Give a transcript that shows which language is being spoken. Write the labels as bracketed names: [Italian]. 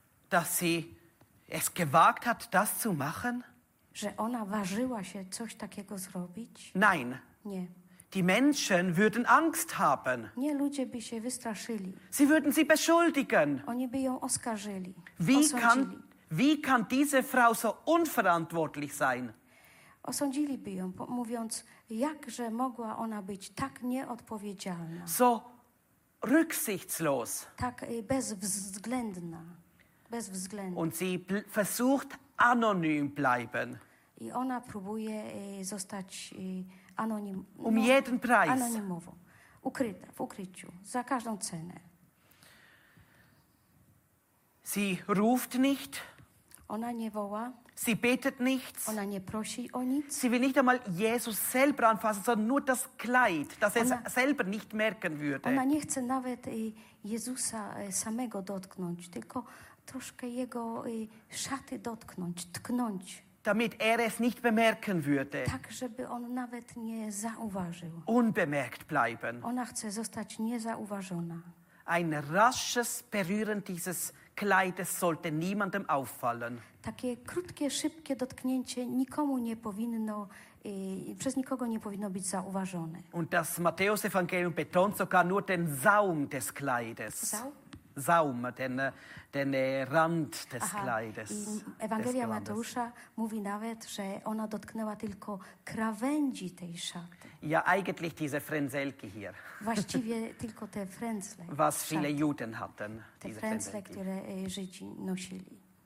[German] Dass sie es gewagt hat, das zu machen? [Polish] Że ona ważyła się coś takiego zrobić? [German] Nein. [Polish] Nie. [German] Die Menschen würden Angst haben. [Polish] Nie, ludzie by się wystraszyli. [German] Sie würden sie beschuldigen. [Polish] Oni by ją oskarżyli. [German] Wie kann diese Frau so unverantwortlich sein? [Polish] Osądziliby ją, mówiąc, jakże mogła ona być tak nieodpowiedzialna. [German] So rücksichtslos. [Polish] Tak bezwzględna. Bezwzględna. [German] Und sie versucht anonym bleiben. [Polish] I ona próbuje zostać anonim. [German] Um jeden Preis. [Polish] Anonimowo. Ukryta, w ukryciu, za każdą cenę. [German] Sie ruft nicht. [Polish] Ona nie woła. [German] Sie betet nichts. [Polish] Ona nie prosi o nic. [German] Sie will nicht einmal Jesus selber anfassen, sondern nur das Kleid, das er selber nicht merken würde. [Polish] Ona nie chce nawet Jezusa samego dotknąć, tylko troszkę jego szaty dotknąć, tknąć. [German] Damit er es nicht bemerken würde. [Polish] Tak, żeby on nawet nie zauważył. [German] Unbemerkt bleiben. [Polish] Ona chce zostać niezauważona. [German] Ein rasches Berühren dieses Kleides sollte niemandem auffallen. [Polish] Takie krótkie, szybkie dotknięcie nikomu nie powinno, przez nikogo nie powinno być zauważone. [German] Und das Matthäus-Evangelium betont sogar nur den Saum des Kleides. Saum, den Rand des Kleides. [Polish] Ewangelia Mateusza mówi nawet, że ona dotknęła tylko krawędzi tej szaty. [German] Ja, eigentlich diese Frenzelki hier. [Polish] Właściwie tylko te frenzle. [German] Was viele Juden hatten, [Polish] te frenzle, które Żydzi nosili.